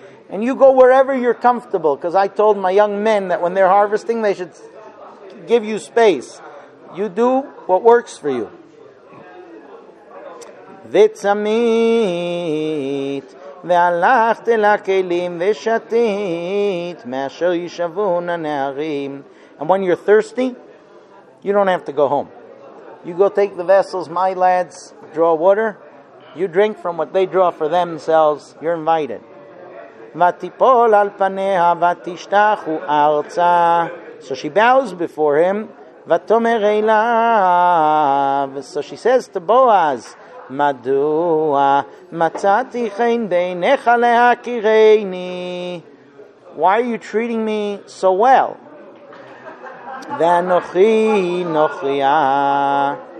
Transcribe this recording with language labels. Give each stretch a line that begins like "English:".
English: And you go wherever you're comfortable, because I told my young men that when they're harvesting, they should give you space. You do what works for you.
Hebrew: Vitzamit. והלכת אל הכלים ושתית מאשר ישבון הנערים.
English: And when you're thirsty, you don't have to go home. You go take the vessels, my lads draw water. You drink from what they draw for themselves. You're invited. ותיפול על פניה ותשתחו ארצה. So she bows before him.
Hebrew: ותאמר אליו.
English: So she says to Boaz,
Hebrew: מדוע מצאתי חן בעיניך להכירני?
English: Why are you treating me so well?
Hebrew: ואנוכי נוכריה.